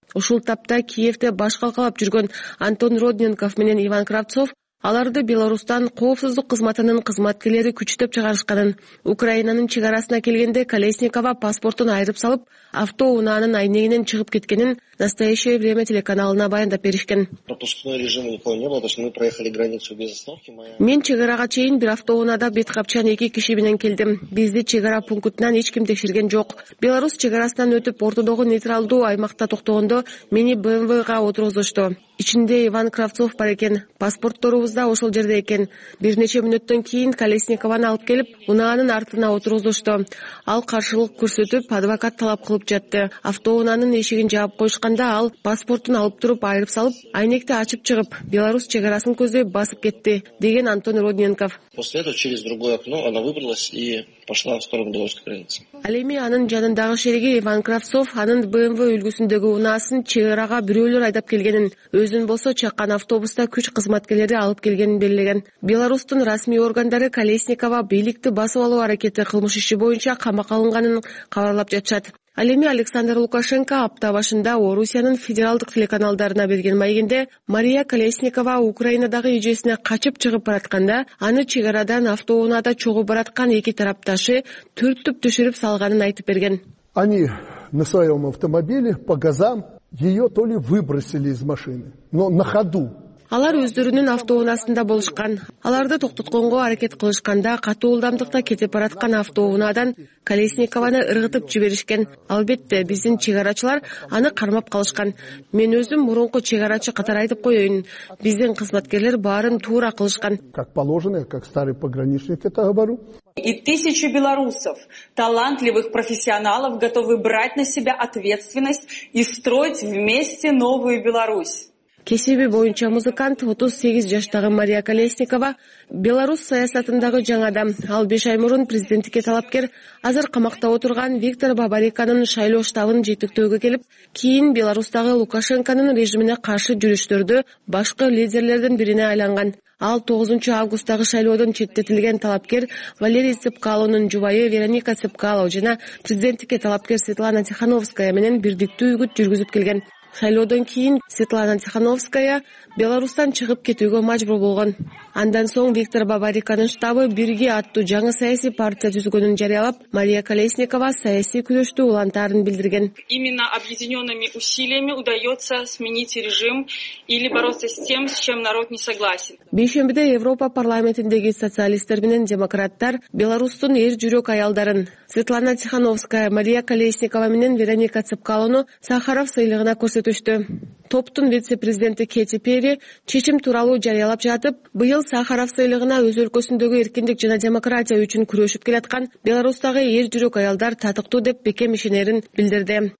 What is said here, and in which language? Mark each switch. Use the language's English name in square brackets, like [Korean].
[Kyrgyz] Ушул тапта Киевде баш калкалап жүргөн Антон Родненков менен Иван Кравцов аларды Беларусьтан коопсуздук кызматынын кызматкерлери күчтөп чыгарышканын, Украинанын чек арасына келгенде Колесникова паспортун айырып салып, автоунаанын айнегинен чыгып кеткенин Настоящее время телеканалына баяндап беришкен. [Russian] Пропускной режим никакой не было, то есть мы проехали границу без остановки. [Kyrgyz] Мен чек арага чейин бир автоунаада беткапчан 2 киши менен келдим. Бизди чек ара пунктунан эч ким текшерген жок. Беларусь чек арасынан өтүп ортодогу нейтралдуу аймакта токтогондо мени БМВга отургузушту. Ичинде Иван Кравцов бар экен. Паспортторубуз да ошол жерде экен. Бир нече мүнөттөн кийин Колесникованы алып келип, унаанын артына отургузушту. Ал каршылык көрсөтүп, адвокат талап кылып жатты. Автоунаанын эшигин жаап коюшкан. жатканда ал паспортун алып туруп айырып салып, айнекти ачып чыгып, Беларус чекарасын көздөп басып кетти, деген Антон Родненков. [Russian] После этого через другое окно она выбралась и пошла в сторону белорусской границы. [Kyrgyz] Ал эми анын жанындагы шереги Иван Кравцов анын БМВ үлгүсүндөгү унаасын чыгарага бирөөлөр айдап келгенин, өзүн болсо чаккан автобуста күч кызматкерлери алып келгенин белгилеген. Беларусьтун расмий органдары Колесникова бийликти басып алуу аракети кылмыш иши боюнча камакка алынганын кабарлап жатышат. Ал эми Александр Лукашенко апта башында Орусиянын федералдык телеканалдарына берген маегинде Мария Колесникова Украинадагы эжесине качып чыгып баратканда аны чыгарадан автоунаада чогуу бараткан эки тарапташы түртүп түшүрүп салганын айтып берген. [Russian] Они на своем автомобиле по газам ее то ли выбросили из машины, но на ходу. [Kyrgyz] Алар өздөрүнүн автоунаасында болушкан. Аларды токтотконго аракет кылышканда катуу ылдамдыкта кетип бараткан автоунаадан Колесникованы ыргытып жиберишкен. Албетте, биздин чек арачылар аны кармап калышкан. Мен өзүм мурунку чек арачы катары айтып коеюн. Биздин кызматкерлер баарын туура кылышкан. [Russian] Как положено, как старый пограничник это говорю. И тысячи белорусов, талантливых профессионалов, готовы брать на себя ответственность и строить вместе новую Беларусь. [Kyrgyz] Кесиби боюнча музыкант 38 жаштагы Мария Колесникова Беларусь саясатындагы жаң адам. Ал 5 ай мурун президенттикке талапкер азыр камакта отурган Виктор Бабариканын шайлоо штабын жетектөөгө келип, кийин Беларусьтагы Лукашенконун режимине каршы жүрүштөрдө башкы лидерлердин бирине айланган. Ал 9 августтагы шайлоодон четтетилген талапкер Валерий Цыпкалонун жубайы Вероника Цыпкало жана президенттикке талапкер Светлана Тихановская менен бирдиктүү үгүт жүргүзүп келген. Шайлоодон кийин Светлана Тихановская Беларусьтан чыгып кетүүгө мажбур болгон. Андан соң Виктор Бабариканын штабы бирге аттуу жаңы саясий партия түзгөнүн жарыялап, Мария Колесникова саясий күрөштү улантарын билдирген. [Russian] Именно объединенными усилиями удается сменить режим или бороться с тем, с чем народ не согласен. [Kyrgyz] Бишөмбүдө Европа парламентиндеги социалисттер менен демократтар Беларусьтун эр жүрөк аялдарын Светлана Тихановская, Мария Колесникова менен Вероника Цыпкалону Сахаров сыйлыгына көрсөтүштү. Топтун вице-президенти Кэти Перри чечим тууралуу жарыялап жатып, быйыл Сахаров сыйлыгына өз өлкөсүндөгү эркиндик жана демократия үчүн күрөшүп келаткан Беларусьтагы эр жүрөк аялдар татыктуу деп бекем ишенерин билдирди.